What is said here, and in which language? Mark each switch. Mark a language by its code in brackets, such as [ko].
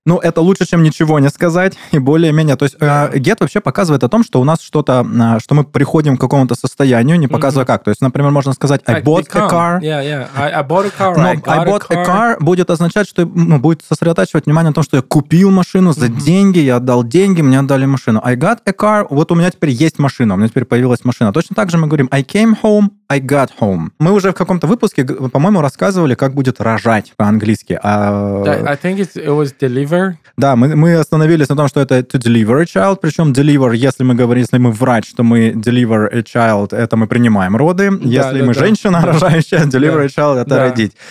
[ru] Ну, это лучше, чем ничего не сказать, и более-менее. То есть get вообще показывает о том, что у нас что-то, что мы приходим к какому-то состоянию, не показывая как. То есть, например, можно сказать [en] I bought a car. Yeah. I bought a car. [ru] Но [en] I bought a car [ru] будет означать, что будет сосредотачивать внимание на том, что я купил машину за деньги, я отдал деньги, мне отдали машину. [en] I got a car, [ru] вот у меня теперь есть машина, у меня теперь появилась машина. Точно так же мы говорим [en] I came home, I got home. [ru] Мы уже в каком-то выпуске, по-моему, рассказывали, как будет рожать по-английски. [en] I think it was deliver. [ru] Да, мы остановились на том, что это [en] to deliver a child, [ru] причем deliver, если мы говорим, если мы врач, то мы [en] deliver a child, [ru] это мы принимаем роды. Если мы женщина рожающая, [en] deliver a child, [ru] это родить.